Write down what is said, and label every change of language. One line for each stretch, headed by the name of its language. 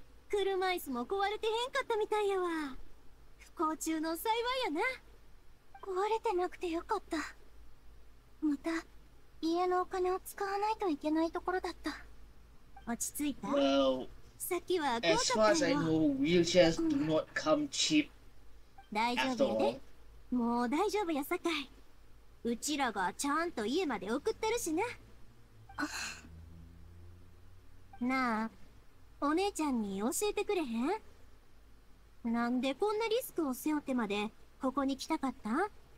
Japanese: 車椅子も壊れてへんかったみたいやわ。不幸中の幸いやな。壊れてなくてよかった。また家のお金を使わないといけないところだった。落ち着いた。
English: Well,
Japanese: さっきはったよ。
English: As far as I know, wheelchairs do not come cheap.
Japanese: 大丈夫やで。もう大丈夫やさかい。うちらがちゃんと家まで送ってるしな。なあ。お姉ちゃんに教えてくれへん？なんでこんなリスクを背負ってまでここに来たかった？